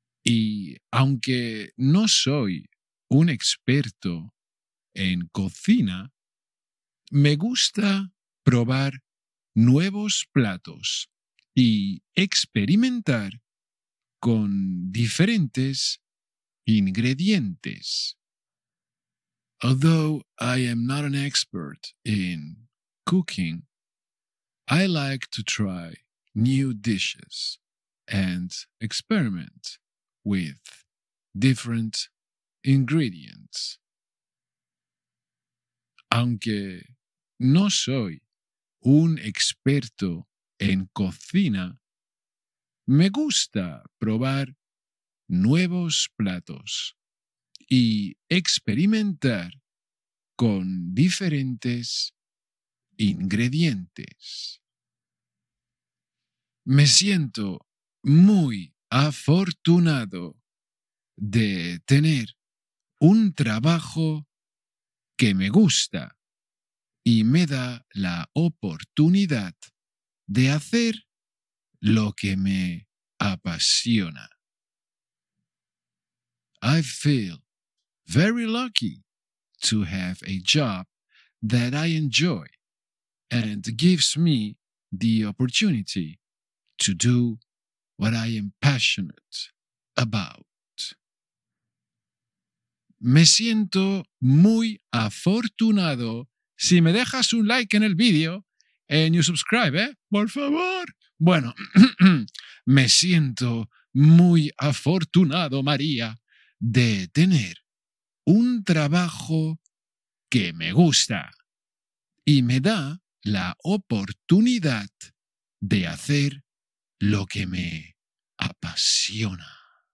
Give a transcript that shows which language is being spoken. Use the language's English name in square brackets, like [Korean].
[Spanish] Y aunque no soy un experto en cocina, me gusta probar nuevos platos y experimentar con diferentes ingredientes. [English] Although I am not an expert in cooking, I like to try new dishes and experiment with different ingredients. [Spanish] Aunque no soy un experto en cocina, me gusta probar nuevos platos y experimentar con diferentes ingredientes. Me siento muy afortunado de tener un trabajo que me gusta y me da la oportunidad de hacer lo que me apasiona. [English] I feel very lucky to have a job that I enjoy and gives me the opportunity to do what I am passionate about. [Spanish] Me siento muy afortunado. Si me dejas un like en el vídeo, [English] and you subscribe, [Spanish] ¿eh? Por favor. Bueno, me siento muy afortunado, María, de tener un trabajo que me gusta y me da la oportunidad de hacer lo que me apasiona.